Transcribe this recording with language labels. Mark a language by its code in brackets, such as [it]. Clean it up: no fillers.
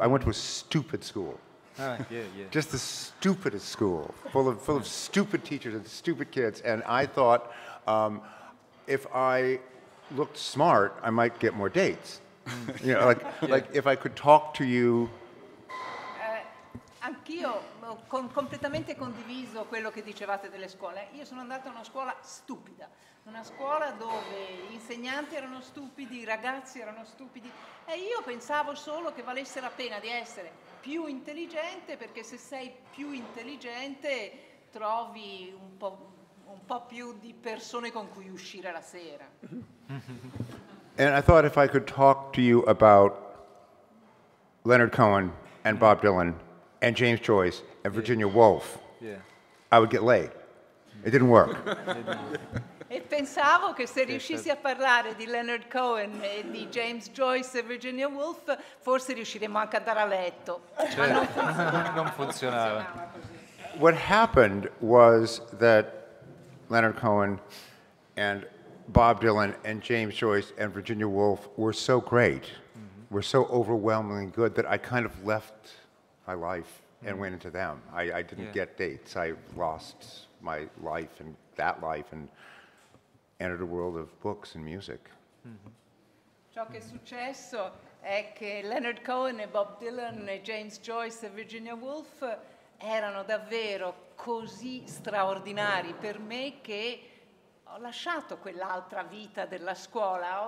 [en] I went to a stupid school. Yeah. Just the stupidest school, full of stupid teachers and stupid kids. And I thought, if I looked smart, I might get more dates. You know, like if I could talk to you. [it] Anch'io ho completamente condiviso quello che dicevate delle scuole. Io sono andata a una scuola stupida, una scuola dove gli insegnanti erano stupidi, i ragazzi erano stupidi, e io pensavo solo che valesse la pena di essere più intelligente, perché se sei più intelligente trovi un po' più di persone con cui uscire la sera. [en] And I thought if I could talk to you about Leonard Cohen and Bob Dylan and James Joyce and Virginia Woolf, I would get laid. It didn't work. [it] E pensavo che se riuscissi a parlare di Leonard Cohen e di James Joyce e Virginia Woolf, forse riusciremmo anche ad andare a letto. Cioè, ma non funzionava così. [en] What happened was that Leonard Cohen and Bob Dylan and James Joyce and Virginia Woolf were so great, mm-hmm. were so overwhelmingly good that I kind of left my life and went into them. I didn't get dates. I lost my life and that life and entered a world of books and music. Mm-hmm. [it] Ciò che è successo è che Leonard Cohen e Bob Dylan e James Joyce e Virginia Woolf erano davvero così straordinari per me che ho lasciato quell'altra vita della scuola.